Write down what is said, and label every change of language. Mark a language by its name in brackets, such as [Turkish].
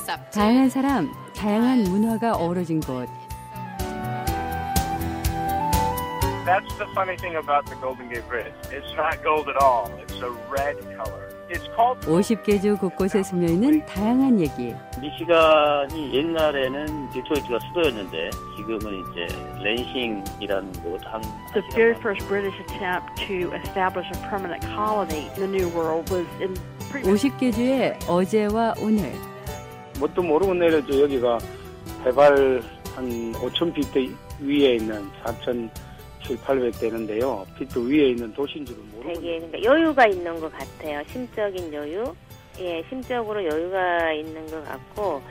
[Korean] 다양한 사람, 다양한 문화가 어우러진 곳. [English] That's the funny thing about the Golden Gate Bridge. It's not gold at all. It's a red color. It's called. [Korean] 50개 주 곳곳에 숨어 있는 다양한 얘기. 미시간이 옛날에는 디트로이트가 수도였는데 지금은 이제 랜싱이라는 곳 한. [English] The very first British attempt to establish a permanent colony in the New World was in. [Korean] 50개 주의 어제와 오늘. 뭣도 모르고 내려도 여기가 해발 한 5천 피트 위에 있는 4천. 7,800 되는데요. 피트 위에 있는 도시인 줄은 모르고. 되게 여유가 있는 것 같아요. 심적인 여유. 예, 심적으로 여유가 있는 것 같고